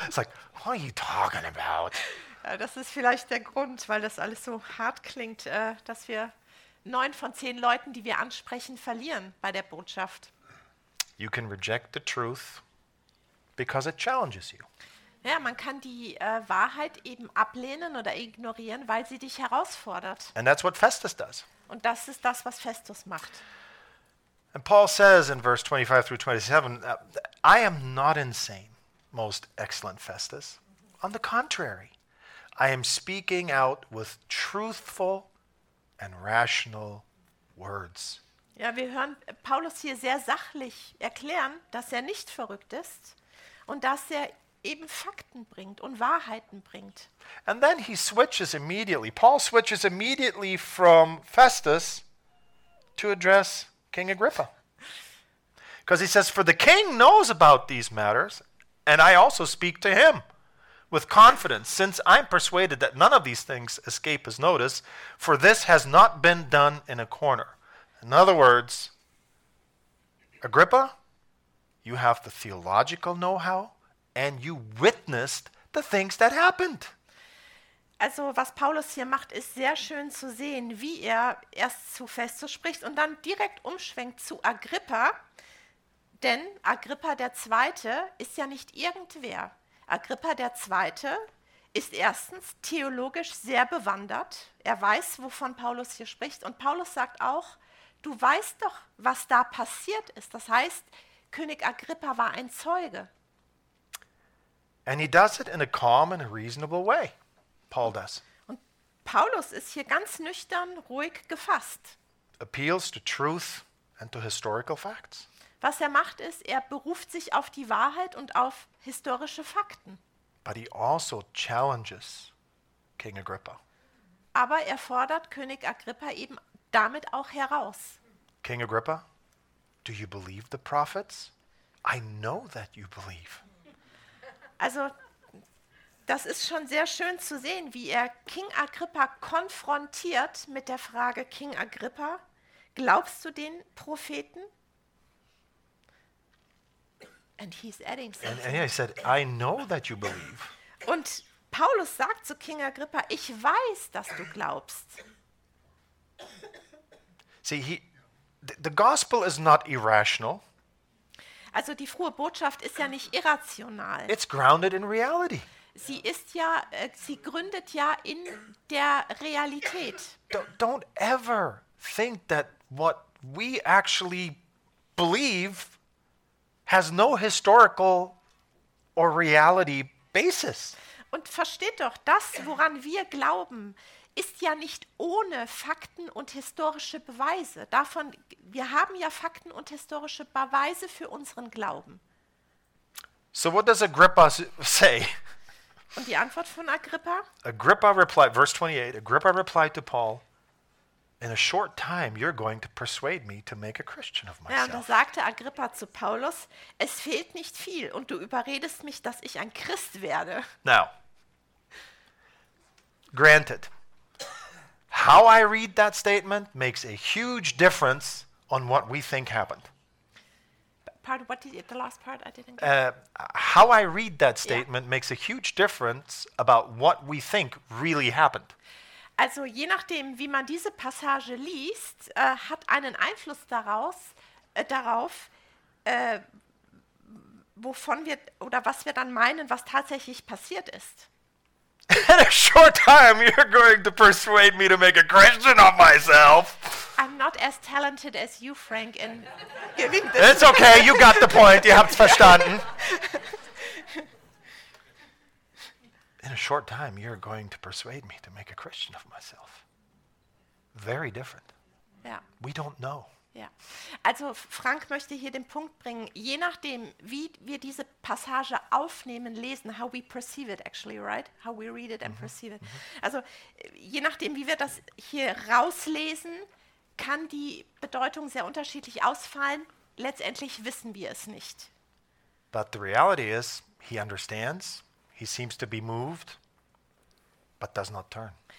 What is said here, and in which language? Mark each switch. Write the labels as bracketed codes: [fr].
[en] It's like, what are you talking about? [de] Ja, das ist vielleicht der Grund, weil das alles so hart klingt, dass wir 9 von 10 Leuten, die wir ansprechen, verlieren bei der Botschaft. [en] You can reject the truth because it challenges you. [de] Ja, man kann die Wahrheit eben ablehnen oder ignorieren, weil sie dich herausfordert. [en] And that's what Festus does. [de] Und das ist das, was Festus macht. [en] And Paul says in verse 25 through 27, I am not insane, most excellent Festus. On the contrary, I am speaking out with truthful and rational words. [de] Ja, wir hören Paulus hier sehr sachlich erklären, dass er nicht verrückt ist und dass er eben Fakten bringt und Wahrheiten bringt. [en] And then he switches immediately. Paul switches immediately from Festus to address King Agrippa. Because he says, for the king knows about these matters, and I also speak to him with confidence, since I'm persuaded that none of these things escape his notice, for this has not been done in a corner. In other words, Agrippa, you have the theological know-how and you witnessed the things that happened. [de] Also, was Paulus hier macht, ist sehr schön zu sehen, wie er erst zu Festus spricht und dann direkt umschwenkt zu Agrippa. Denn Agrippa der Zweite ist ja nicht irgendwer. Agrippa der Zweite ist erstens theologisch sehr bewandert. Er weiß, wovon Paulus hier spricht. Und Paulus sagt auch, du weißt doch, was da passiert ist. Das heißt, König Agrippa war ein Zeuge. [en] And he does it in a calm and reasonable way. Paul does. [de] Und Paulus ist hier ganz nüchtern, ruhig gefasst. [en] Appeals to truth and to historical facts. [de] Was er macht ist, er beruft sich auf die Wahrheit und auf historische Fakten. [en] But he also challenges King Agrippa. [de] Aber er fordert König Agrippa eben damit auch heraus. [en] King Agrippa, do you believe the prophets? I know that you believe. [de] Also das ist schon sehr schön zu sehen, wie er King Agrippa konfrontiert mit der Frage, King Agrippa, glaubst du den Propheten? [en] And he's adding something. And he said, I know that you believe. [de] Und Paulus sagt zu King Agrippa, ich weiß, dass du glaubst. [en] See, the gospel is not irrational. [de] Also die frohe Botschaft ist ja nicht irrational. [en] It's grounded in reality. [de] Sie ist ja, sie gründet ja in der Realität. [en] Don't ever think that what we actually believe has no historical or reality basis. [de] Und versteht doch, das, woran wir glauben, ist ja nicht ohne Fakten und historische Beweise. Davon, wir haben ja Fakten und historische Beweise für unseren Glauben. [en] So what does Agrippa say? [de] Und die Antwort von Agrippa? [en] Agrippa replied, verse 28, Agrippa replied to Paul, in a short time you're going to persuade me to make a Christian of myself. [de] Ja, und da sagte Agrippa zu Paulus, es fehlt nicht viel und du überredest mich, dass ich ein Christ werde. [en] Now, granted, how I read that statement makes a huge difference on what we think happened. Pardon, what did you, the last part I didn't get. How I read that statement makes a huge difference about what we think really happened. [de] Also je nachdem, wie man diese Passage liest, hat einen Einfluss darauf, wovon wir oder was wir dann meinen, was tatsächlich passiert ist. [en] In a short time, you're going to persuade me to make a Christian of myself. I'm not as talented as you, Frank, in giving this. It's okay, you got the point, [de] ihr habt's verstanden. [en] In a short time, you're going to persuade me to make a Christian of myself. Very different. Yeah. We don't know. [de] Ja, also Frank möchte hier den Punkt bringen, je nachdem, wie wir diese Passage aufnehmen, lesen, [en] how we perceive it actually, right? How we read it and perceive it. Mm-hmm. [de] Also je nachdem, wie wir das hier rauslesen, kann die Bedeutung sehr unterschiedlich ausfallen. Letztendlich wissen wir es nicht. [en] But the reality is, he understands, he seems to be moved, but does not turn.